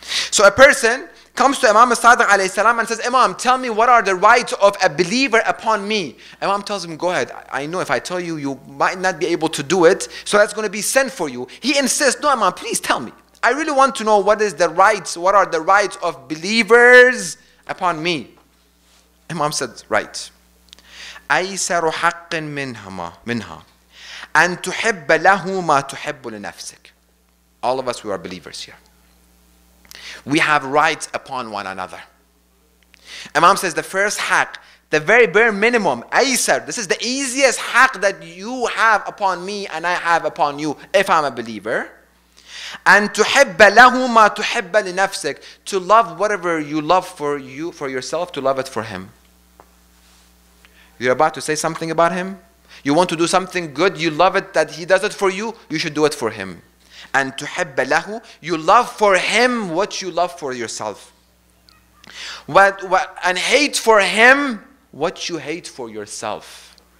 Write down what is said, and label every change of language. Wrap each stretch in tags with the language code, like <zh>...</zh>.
<en>So a person comes to Imam Sadiq alayhi salam and says, Imam, tell me what are the rights of a believer upon me. Imam tells him, go ahead. I know if I tell you, you might not be able to do it. So that's going to be sin for you. He insists, no Imam, please tell me. I really want to know what is the rights, what are the rights of believers upon me. Imam said, right.</en> <ar>أيسر حق منها أن تحب له ما تحب لنفسك.</ar> <en>All of us, we are believers here. We have rights upon one another. Imam says, the first haq, the very bare minimum,</en> <ar>أيسر,</ar> <en>this is the easiest haq that you have upon me and I have upon you if I'm a believer.</en> <ar>And تُحِبَّ لَهُ مَا تُحِبَّ لِنَفْسِكَ.</ar> <en>To love whatever you love for you, for yourself, to love it for him. You're about to say something about him. You want to do something good. You love it that he does it for you. You should do it for him. And</en> <ar>تُحِبَّ لَهُ.</ar> <en>You love for him what you love for yourself. And hate for him what you hate for yourself.</en>